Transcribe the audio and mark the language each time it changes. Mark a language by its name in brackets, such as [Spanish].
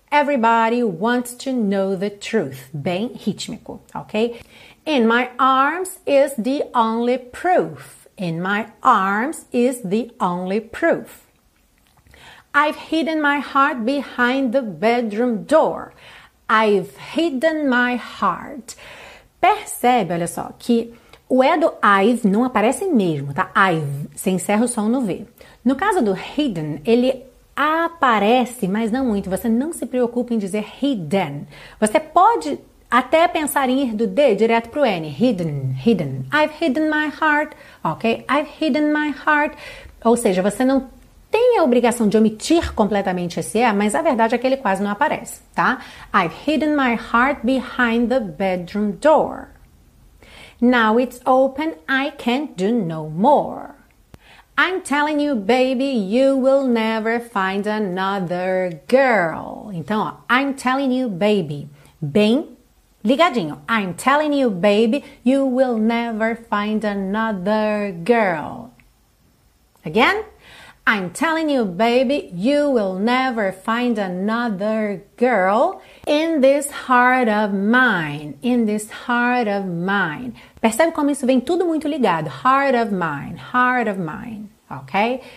[English] Everybody wants to know the truth. [Portuguese] Bem rítmico, ok? [English] In my arms is the only proof. In my arms is the only proof. I've hidden my heart behind the bedroom door. I've hidden my heart. [Portuguese] Percebe, olha só, que o E do I've não aparece mesmo, tá? I've, você encerra o som no V. No caso do hidden, ele aparece, mas não muito. Você não se preocupe em dizer hidden. Você pode até pensar em ir do D direto pro N. [English] Hidden, hidden. I've hidden my heart, ok? I've hidden my heart. [Portuguese] Ou seja, você não tem a obrigação de omitir completamente esse E, mas a verdade é que ele quase não aparece, tá? [English] I've hidden my heart behind the bedroom door. Now it's open, I can't do no more. I'm telling you, baby, you will never find another girl. [Portuguese] Então, ó, [English] I'm telling you, baby, [Portuguese] bem ligadinho. [English] I'm telling you, baby, you will never find another girl. Again? I'm telling you, baby, you will never find another girl in this heart of mine, in this heart of mine. [Portuguese] Percebe como isso vem tudo muito ligado, [English] heart of mine, [Portuguese] ok?